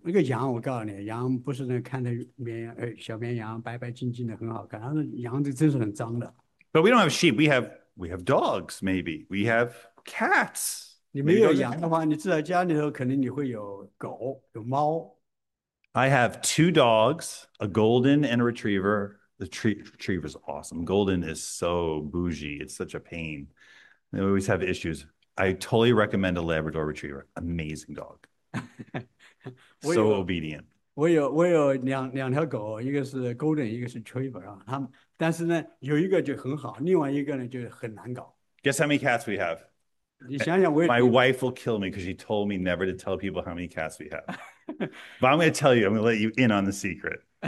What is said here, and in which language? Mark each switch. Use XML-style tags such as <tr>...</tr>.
<zh>那个羊我告诉你，羊不是那看的绵羊小绵羊白白净净的很好看，但是羊就真是很脏的。</zh> <en>But we don't have sheep. We have dogs. Maybe we have cats.</en> <zh>你没有羊的话，你住在家里头，可能你会有狗、有猫。</zh> <en>I have two dogs, a golden and a retriever. The retriever is awesome. Golden is so bougie; it's such a pain. They always have issues. I totally recommend a Labrador retriever. Amazing dog. So obedient.</en> <zh>我有两条狗，一个是 golden， 一个是 retriever 啊。他们但是呢，有一个就很好，另外一个呢就很难搞。</zh> <en>Guess how many cats we have? My wife will kill me because she told me never to tell people how many cats we have. But I'm going to tell you. I'm going to let you in on the secret.</en>